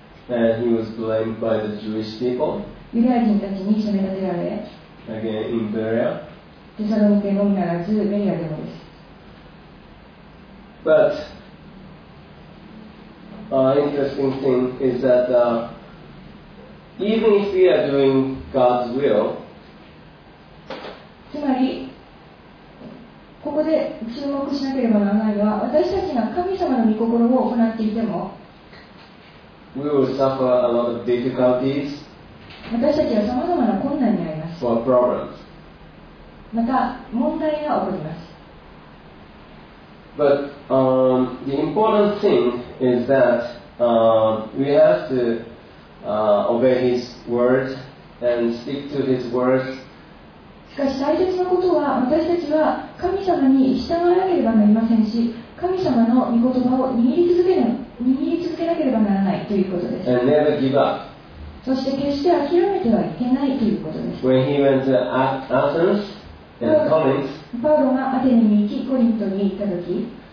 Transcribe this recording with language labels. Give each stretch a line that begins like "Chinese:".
English: And he was blamed by the Jewish people.
Japanese: ユダヤ人たちに責め立てられ。
English: Again, in Berea.
Japanese: テサロニケのみならず、ベリアでもです。
English: But, interesting thing is that, even if we are doing God's will,
Japanese: つまり、ここで注目しなければならないのは、私たちが神様の御心を行っていても、
English: We will suffer a lot of difficulties.
Japanese: 私たちはさまざまな困難にあります。
English: For problems.
Japanese: また問題が起こります。
English: But the important thing is that we have to obey His words and stick to His words.
Japanese: しかし大切なことは私たちは神様に従わなければなりませんし神様の御言葉を握り続けなければならないということです。
English: And never give up.
Japanese: そして決して諦めてはいけないということです。
English: When he went to Athens and Corinth,
Japanese: パウロがアテネに行きコリントに行ったとき、